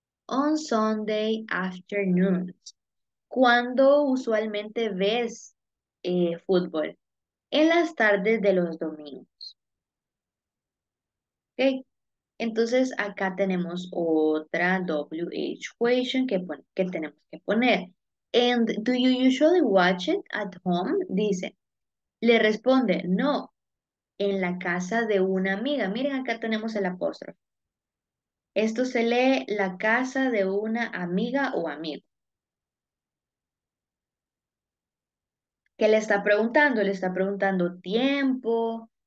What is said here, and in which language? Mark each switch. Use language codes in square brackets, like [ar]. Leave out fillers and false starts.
[en] On Sunday afternoons. [es] ¿Cuándo usualmente ves fútbol? En las tardes de los domingos. [en] Okay. [es] Entonces acá tenemos otra WH question que tenemos que poner. [en] And do you usually watch it at home? [es] Dice. Le responde, no, en la casa de una amiga. Miren, acá tenemos el apóstrofe. Esto se lee la casa de una amiga o amigo. ¿Qué le está preguntando? ¿Le está preguntando tiempo?